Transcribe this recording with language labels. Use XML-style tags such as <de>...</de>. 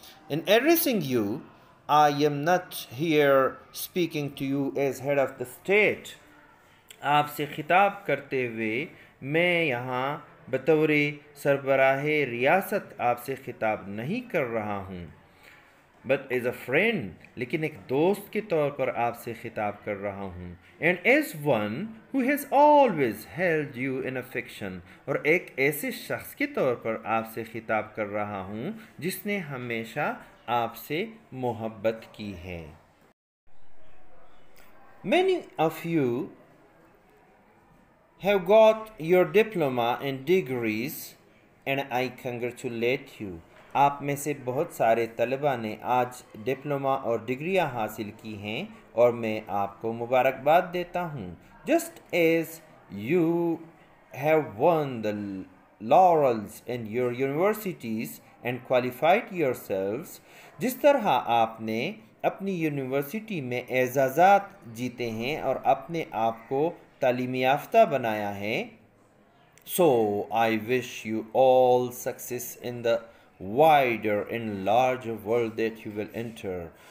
<en>In addressing you, I am not here speaking to you as head of the state.</en> <ur>آپ سے خطاب کرتے ہوئے میں یہاں بطور سربراہ ریاست آپ سے خطاب نہیں کر رہا ہوں.</ur> <en>But as a friend,</en> <ur>لیکن ایک دوست کے طور پر آپ سے خطاب کر رہا ہوں.</ur> <en>And as one who has always held you in affection,</en> <ur>اور ایک ایسے شخص کے طور پر آپ سے خطاب کر رہا ہوں جس نے ہمیشہ آپ سے محبت کی ہے.</ur> <en>Many of you have got your diploma and degrees and I congratulate you.</en> <ur>آپ میں سے بہت سارے طلبہ نے آج ڈپلوما اور ڈگریاں حاصل کی ہیں اور میں آپ کو مبارکباد دیتا ہوں.</ur> <en>Just as you have won the laurels in your universities and qualified yourselves,</en> <ur>جس طرح آپ نے اپنی یونیورسٹی میں اعزازات جیتے ہیں اور اپنے آپ کو تعلیم یافتہ بنایا ہے,</ur> <en>So I wish you all success in the wider and large world that you will enter.</en>